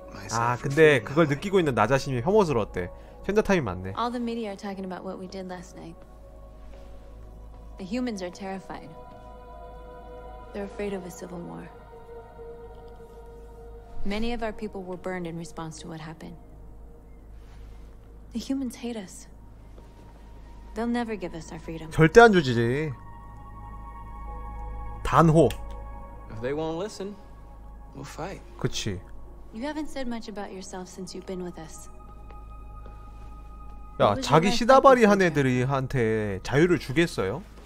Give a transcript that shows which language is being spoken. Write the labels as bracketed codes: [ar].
[ko] 아, 근데 그걸 느끼고 있는 나 자신이 혐오스러웠대. 현자타임이 맞네. [en] All the media are talking about what we did last night. The humans are terrified. They're afraid of a civil war. Many of our people were burned in response to what happened. The humans hate us. They'll never give us our freedom. [ko] 절대 안 주지. 단호. [en] If they won't listen, we'll fight. [ko] 그치. [en] You haven't said much about yourself since you've been with us. [ko] 야, 자기 시다발이 한 애들이한테 자유를 주겠어요?